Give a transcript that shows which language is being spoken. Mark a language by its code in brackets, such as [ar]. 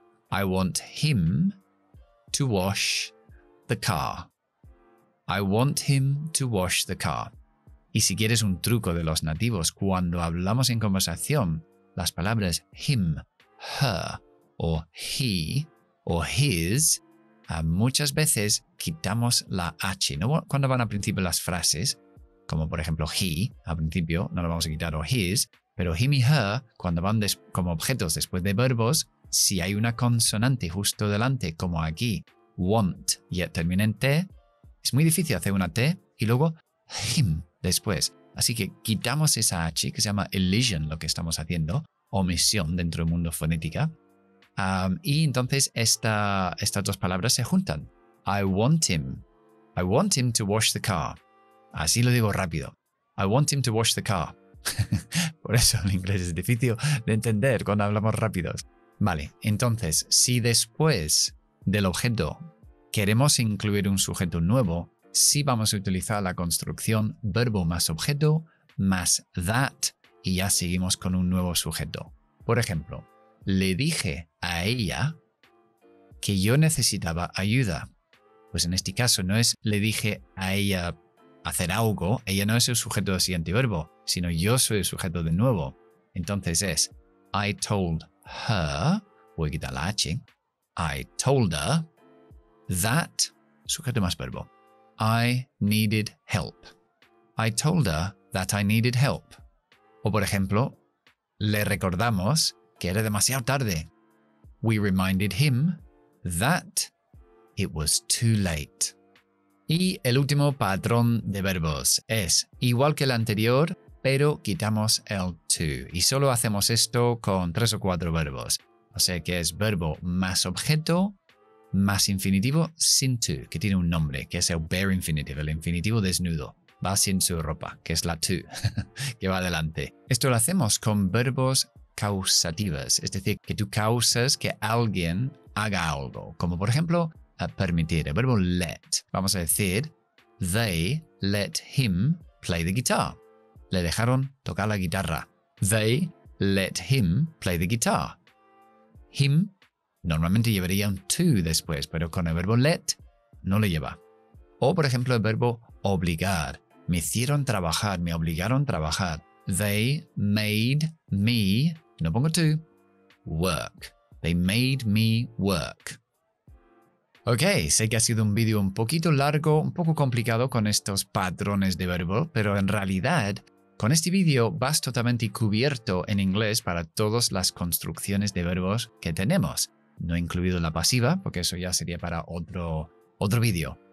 [en] I want him to wash the car. I want him to wash the car. [es] Y si quieres un truco de los nativos, cuando hablamos en conversación, las palabras him, her, o he, o his, muchas veces quitamos la H. ¿No? Cuando van al principio las frases, como por ejemplo he, al principio no lo vamos a quitar, o his, pero him y her, cuando van como objetos después de verbos, si hay una consonante justo delante, como aquí, want, y termina en T, es muy difícil hacer una T y luego him después. Así que quitamos esa H, que se llama elision, lo que estamos haciendo, omisión dentro del mundo fonética. Y entonces estas dos palabras se juntan. [en] I want him. I want him to wash the car. [es] Así lo digo rápido. [en] I want him to wash the car. [es] Por eso el inglés es difícil de entender cuando hablamos rápidos. Vale, entonces, si después del objeto queremos incluir un sujeto nuevo, sí vamos a utilizar la construcción verbo más objeto más that y ya seguimos con un nuevo sujeto. Por ejemplo, le dije a ella que yo necesitaba ayuda. Pues en este caso no es le dije a ella hacer algo, ella no es el sujeto del siguiente verbo, sino yo soy el sujeto de nuevo. Entonces es [en] I told her, [es] voy a quitar la H, [en] I told her that, [es] sujeto más verbo, [en] I needed help. I told her that I needed help. [es] O por ejemplo, le recordamos que era demasiado tarde. [en] We reminded him that it was too late. [es] Y el último patrón de verbos es igual que el anterior, pero quitamos el to. Y solo hacemos esto con 3 o 4 verbos. O sea que es verbo más objeto, más infinitivo, sin to, que tiene un nombre, que es el bare infinitive, el infinitivo desnudo. Va sin su ropa, que es la to, que va adelante. Esto lo hacemos con verbos causativas, es decir, que tú causas que alguien haga algo. Como por ejemplo, a permitir, el verbo let. Vamos a decir, [en] they let him play the guitar. [es] Le dejaron tocar la guitarra. [en] They let him play the guitar. [es] Him normalmente llevaría un to después, pero con el verbo let no lo lleva. O, por ejemplo, el verbo obligar. Me hicieron trabajar, me obligaron a trabajar. [en] They made me, [es] no pongo to, [en] work. They made me work. [es] Ok, sé que ha sido un vídeo un poquito largo, un poco complicado con estos patrones de verbo, pero en realidad, con este vídeo vas totalmente cubierto en inglés para todas las construcciones de verbos que tenemos. No he incluido la pasiva, porque eso ya sería para otro vídeo.